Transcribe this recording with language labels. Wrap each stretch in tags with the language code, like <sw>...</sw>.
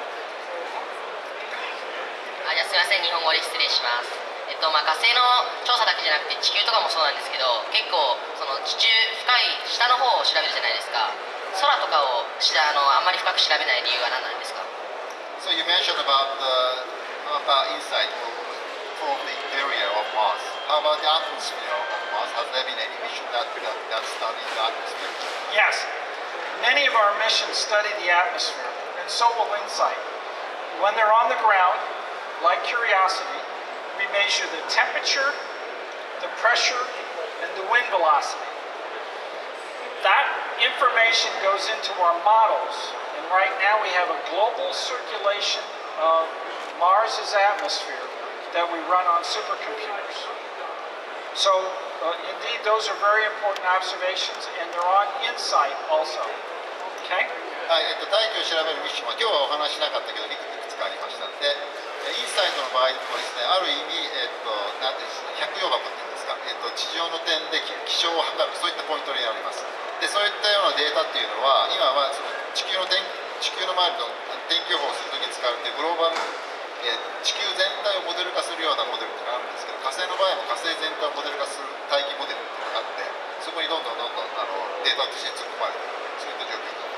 <ja>じゃあすいません、日本語で失礼します、まあ、火星の調査だけじゃなくて地球とかもそうなんですけど、結構その地中深い下の方を調べるじゃないですか。空とかを下あんまり深く調べない理由は何なんですか？</ja> <en>So you mentioned about inside for the interior of Mars. How about the atmosphere of Mars? Has there been any mission that studied the atmosphere? Yes. Many of our missions study the atmosphere, and so will InSight. When they're on the ground, like Curiosity, we measure the temperature, the pressure, and the wind velocity. That information goes into our models, and right now we have a global circulation of Mars's atmosphere that we run on supercomputers. So, indeed, those are very important observations, and they're on InSight also.</en> <ja>はい、大気を調べるミッションは今日はお話しなかったけどいくつかありました。でインサイトの場合もですね、ある意味、なんていうんですか、百葉箱っていうんですか、地上の点で気象を測るそういったポイントになります。でそういったようなデータっていうのは今はその地球の周りの天気予報をするときに使うっていうグローバル、地球全体をモデル化するようなモデルってのがあるんですけど、火星の場合も火星全体をモデル化する大気モデルっていうのがあって、そこにどんどんデータとして突っ込まれてる、そういった状況。</ja>